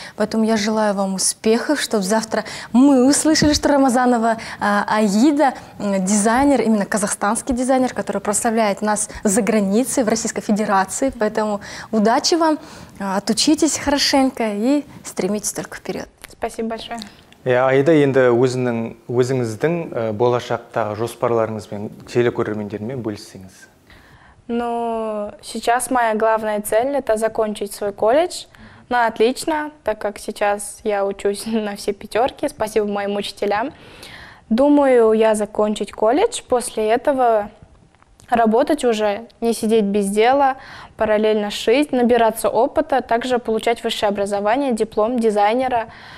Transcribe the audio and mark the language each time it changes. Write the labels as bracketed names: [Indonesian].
[Russian] Поэтому я желаю вам успехов, чтобы завтра мы услышали, что Рамазанова Аида — дизайнер, именно казахстанский дизайнер, который прославляет нас за границей, в Российской Федерации. Поэтому удачи вам, отучитесь хорошенько и стремитесь только вперед. Спасибо большое. [Kazakh] Аида, енді өзіңіздің болашақтағы жоспарларыңызбен телекөрермендермен бөліссеңіз. [Russian] Ну, сейчас моя главная цель – это закончить свой колледж. Ну, отлично, так как сейчас я учусь на все пятерки. Спасибо моим учителям. Думаю, я закончить колледж. После этого работать уже, не сидеть без дела, параллельно шить, набираться опыта, также получать высшее образование, диплом дизайнера.